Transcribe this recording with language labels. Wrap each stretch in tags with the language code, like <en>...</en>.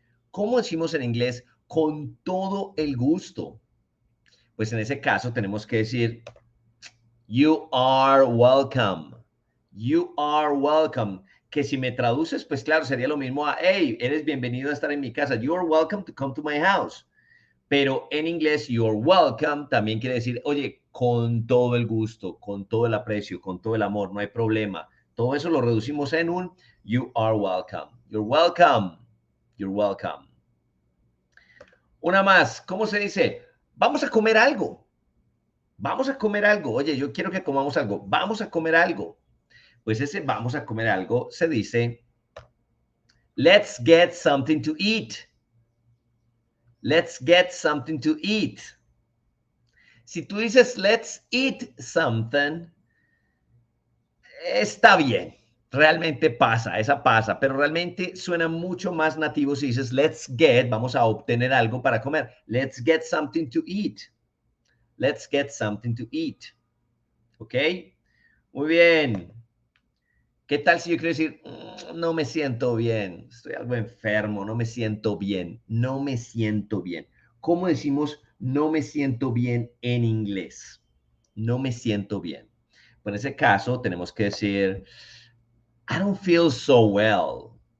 <es>¿Cómo decimos en inglés con todo el gusto? Pues en ese caso tenemos que decir,</es> <en>you are welcome. You are welcome.</en> <es>Que si me traduces, pues claro, sería lo mismo a, hey, eres bienvenido a estar en mi casa.</es> <en>You are welcome to come to my house.</en> <es>Pero en inglés,</es> <en>you're welcome,</en> <es>también quiere decir, oye, con todo el gusto, con todo el aprecio, con todo el amor, no hay problema. Todo eso lo reducimos en un</es> <en>you are welcome. You're welcome.</en> <es>You're welcome. Una más, ¿cómo se dice? Vamos a comer algo. Vamos a comer algo. Oye, yo quiero que comamos algo. Vamos a comer algo. Pues ese vamos a comer algo se dice,</es> <en>let's get something to eat. Let's get something to eat.</en> <es>Si tú dices,</es> <en>let's eat something,</en> <es>está bien. Realmente pasa, esa pasa. Pero realmente suena mucho más nativo si dices,</es> <en>let's get,</en> <es>vamos a obtener algo para comer.</es> <en>Let's get something to eat. Let's get something to eat.</en> <es>¿Ok? Muy bien. ¿Qué tal si yo quiero decir, no me siento bien? Estoy algo enfermo, no me siento bien, no me siento bien. ¿Cómo decimos no me siento bien en inglés? No me siento bien. Bueno, en ese caso tenemos que decir,</es> <en>I don't feel so well.</en>